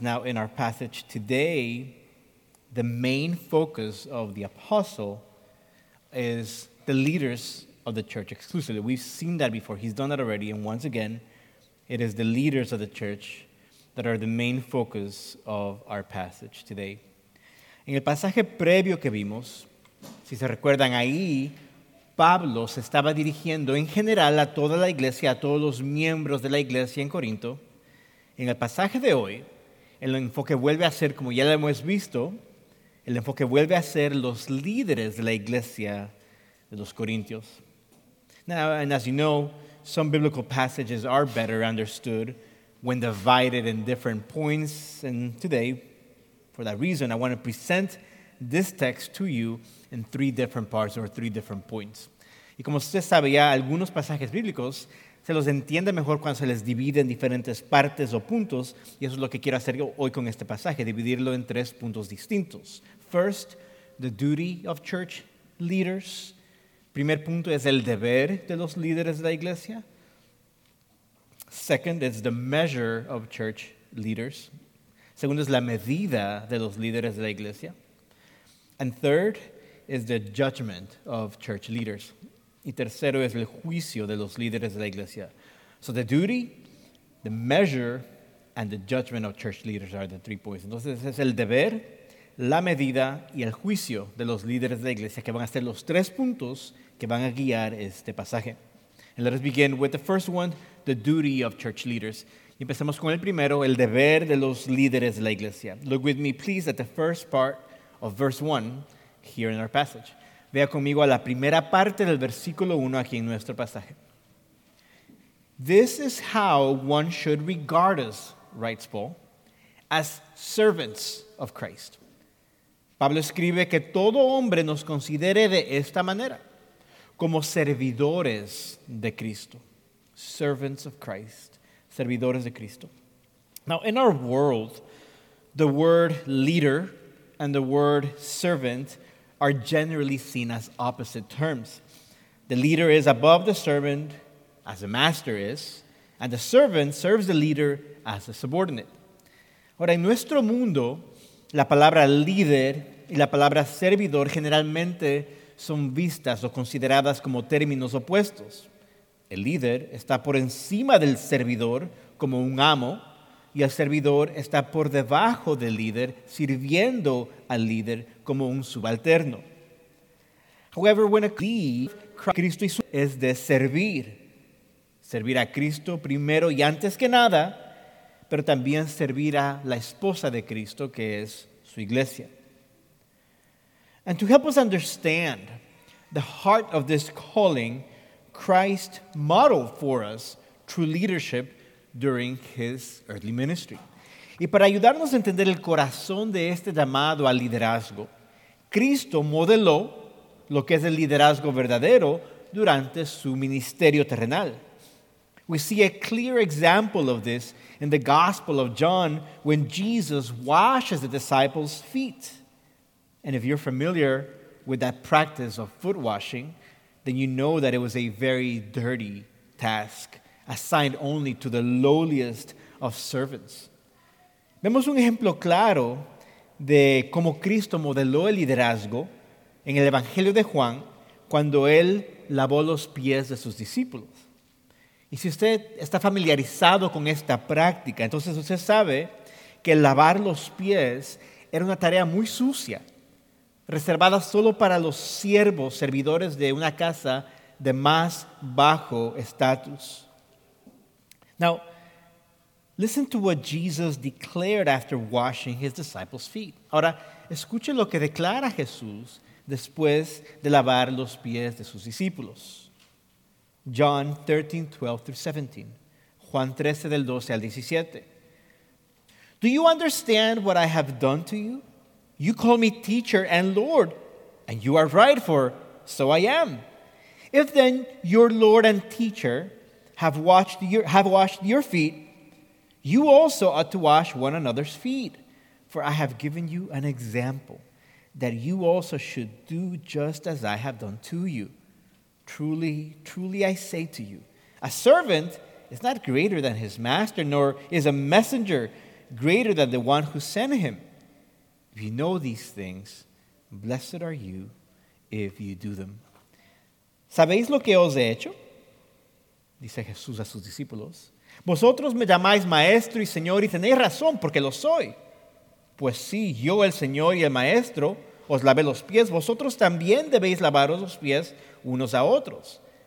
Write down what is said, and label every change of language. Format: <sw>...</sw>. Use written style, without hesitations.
<en>Now, in our passage today, the main focus of the apostle is the leaders of the church exclusively. We've seen that before. He's done that already. And once again, it is the leaders of the church that are the main focus of our passage today.</en> <es>En el pasaje previo que vimos, si se recuerdan ahí, Pablo se estaba dirigiendo en general a toda la iglesia, a todos los miembros de la iglesia en Corinto. En el pasaje de hoy, el enfoque vuelve a ser, como ya lo hemos visto, el enfoque vuelve a ser los líderes de la iglesia de los corintios.</es> <en>Now, and as you know, some biblical passages are better understood when divided in different points. And today, for that reason, I want to present this text to you in three different parts or three different points.</en> <es>Y como usted sabe ya, algunos pasajes bíblicos se los entiende mejor cuando se les divide en diferentes partes o puntos. Y eso es lo que quiero hacer hoy con este pasaje, dividirlo en tres puntos distintos.</es> <en>First, the duty of church leaders.</en> <es>Primer punto es el deber de los líderes de la iglesia.</es> <en>Second, it's the measure of church leaders.</en> <es>Segundo es la medida de los líderes de la iglesia.</es> <en>And third is the judgment of church leaders.</en> <es>Y tercero es el juicio de los líderes de la iglesia.</es> <en>So the duty, the measure, and the judgment of church leaders are the three points.</en> <es>Entonces es el deber, la medida y el juicio de los líderes de la iglesia que van a ser los tres puntos que van a guiar este pasaje.</es> <en>And let us begin with the first one, the duty of church leaders.</en> <es>Y empezamos con el primero, el deber de los líderes de la iglesia.</es> <en>Look with me, please, at the first part of verse 1 here in our passage.</en> <es>Vea conmigo a la primera parte del versículo 1 aquí en nuestro pasaje.</es> <en>This is how one should regard us, writes Paul, as servants of Christ.</en> <es>Pablo escribe que todo hombre nos considere de esta manera, como servidores de Cristo.</es> <en>Servants of Christ.</en> <es>Servidores de Cristo.</es> <en>Now, in our world, the word leader and the word servant are generally seen as opposite terms. The leader is above the servant, as a master is, and the servant serves the leader as a subordinate.</en> <es>Ahora, en nuestro mundo, la palabra líder y la palabra servidor generalmente son vistas o consideradas como términos opuestos. El líder está por encima del servidor como un amo, y el servidor está por debajo del líder, sirviendo al líder como un subalterno.</es> <en>However, when a</en> <es>Cristo es de servir, servir a Cristo primero y antes que nada, pero también servir a la esposa de Cristo, que es su iglesia.</es> <en>And to help us understand the heart of this calling, Christ modeled for us true leadership during his earthly ministry.</en> <es>Y para ayudarnos a entender el corazón de este llamado al liderazgo, Cristo modeló lo que es el liderazgo verdadero durante su ministerio terrenal.</es> <en>We see a clear example of this in the Gospel of John when Jesus washes the disciples' feet. And if you're familiar with that practice of foot washing, then you know that it was a very dirty task assigned only to the lowliest of servants.</en> <es>Vemos un ejemplo claro de cómo Cristo modeló el liderazgo en el Evangelio de Juan cuando él lavó los pies de sus discípulos. Y si usted está familiarizado con esta práctica, entonces usted sabe que lavar los pies era una tarea muy sucia, reservada solo para los siervos, servidores de una casa de más bajo estatus.</es> <en>Now, listen to what Jesus declared after washing his disciples' feet.</en> <es>Ahora, escuche lo que declara Jesús después de lavar los pies de sus discípulos.</es> <en>John 13, 12 through 17.</en> <es>Juan 13, del 12 al 17.</es> <en>Do you understand what I have done to you? You call me teacher and Lord, and you are right, for so I am. If then your Lord and teacher have washed your feet, you also ought to wash one another's feet. For I have given you an example that you also should do just as I have done to you. Truly, truly I say to you, a servant is not greater than his master, nor is a messenger greater than the one who sent him. If you know these things, blessed are you if you do them.</en> <es>¿Sabéis lo que os he hecho? Dice Jesús a sus discípulos. Vosotros me llamáis maestro y señor, y tenéis razón, porque lo soy. Pues sí, yo, el señor y el maestro, os lavé los pies, vosotros también debéis lavaros los pies unos a otros.</es>